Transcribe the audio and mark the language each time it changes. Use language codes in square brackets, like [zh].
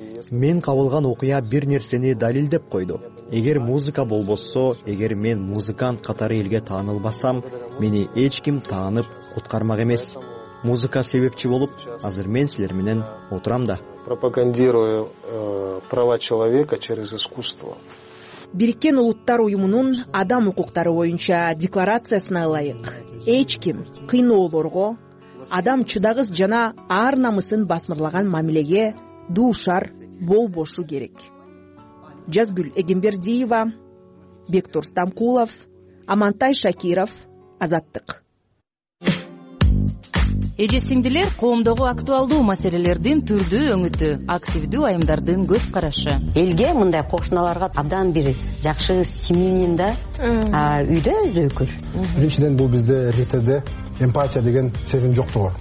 [ky] Мен кабылган окуя бир нерсени далилдеп койду. Эгер музыка болбосо, эгер мен музыкант катары элге таанылбасам, мени эч ким таанып куткармак эмес. Музыка себепчи болуп, азыр мен силер менен отурам да. [ru] Пропагандирую права человека через искусство. [ky] Бириккен улуттар уюмунун адам укуктары боюнча декларациясына ылайык. Эч ким кыйноолорго, адам чыдагыс жана ар намысын басмырлаган мамилеге дуушар болбошу керек. Жазгүл Эгембердиева, Бектур Стамкулов, Амантай Шакиров, Азаттык. Эже сиңдилер коомдогу актуалдуу маселелердин түрдүү өңүтү, активдүү айымдардын көз карашы. Элге мындай кошуналарга абдан бир жакшы семьянин да, үйдө өзү өкөр. Биринчиден бул бизде РТД эмпатия деген сезим жоктугу.